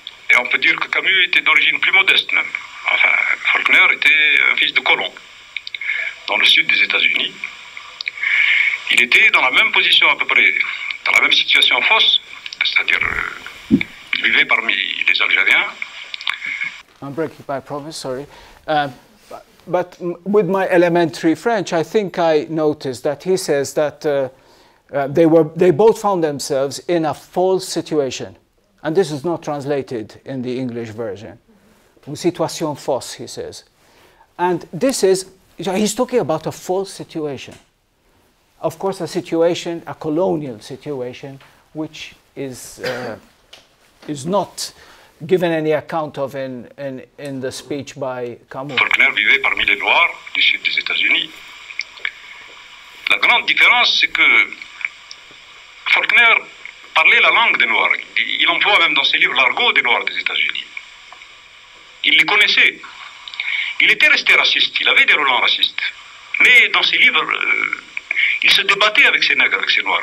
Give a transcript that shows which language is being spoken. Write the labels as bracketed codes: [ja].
[fr] Et on peut dire que Camus était d'origine plus modeste même. Enfin, Faulkner était un fils de colon dans le sud des États-Unis. Il était dans la même position à peu près, dans la même situation fausse, c'est-à-dire il vivait parmi les Algériens. [en] I'm breaking my promise, sorry. But with my elementary French, I think I noticed that he says that they both found themselves in a false situation. And this is not translated in the English version. [fr] Une situation fausse, [en] he says. And this is, he's talking about a false situation. Of course, a situation, a colonial situation, which is not given any account of in the speech by Camus. [fr] Faulkner vivait parmi les Noirs du sud des États-Unis. La grande différence, c'est que Faulkner parler la langue des Noirs. Il emploie même dans ses livres l'argot des Noirs des États-Unis. Il les connaissait. Il était resté raciste, il avait des relents racistes. Mais dans ses livres, il se débattait avec ses nègres, avec ses Noirs.